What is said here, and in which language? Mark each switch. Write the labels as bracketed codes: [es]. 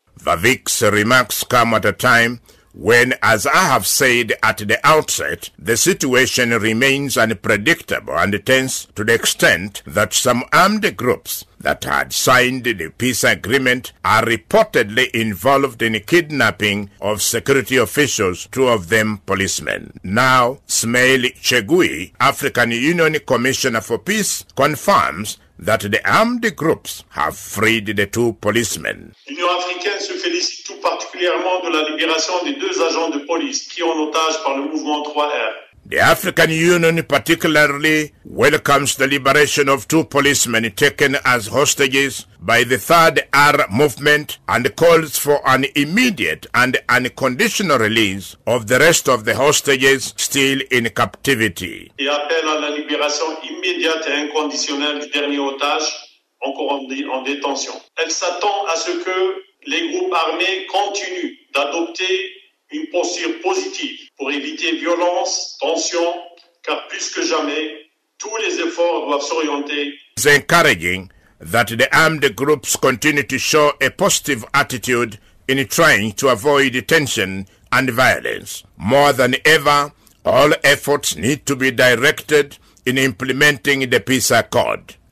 [en] Vavik's remarks come at a time when, as I have said at the outset, the situation remains unpredictable and tense to the extent that some armed groups that had signed the peace agreement are reportedly involved in kidnapping of security officials, 2 of them policemen. Now, Smail Chegui, African Union Commissioner for Peace, confirms that the armed groups have freed the 2 policemen. [fr] L'Union africaine se félicite tout particulièrement de la libération des 2 agents de police pris en otage par le mouvement 3R. [en] The African Union particularly welcomes the liberation of 2 policemen taken as hostages by the 3rd R movement and calls for an immediate and unconditional release of the rest of the hostages still in captivity. [fr] Et appelle à la libération immédiate et inconditionnelle du dernier otage encore en détention. Elle s'attend à ce que les groupes armés continuent d'adopter une posture positive pour éviter violence, tension, car plus que jamais, tous les efforts doivent s'orienter. [en] It's encouraging that the armed groups continue to show a positive attitude in trying to avoid tension and violence. More than ever, all efforts need to be directed in implementing the peace accord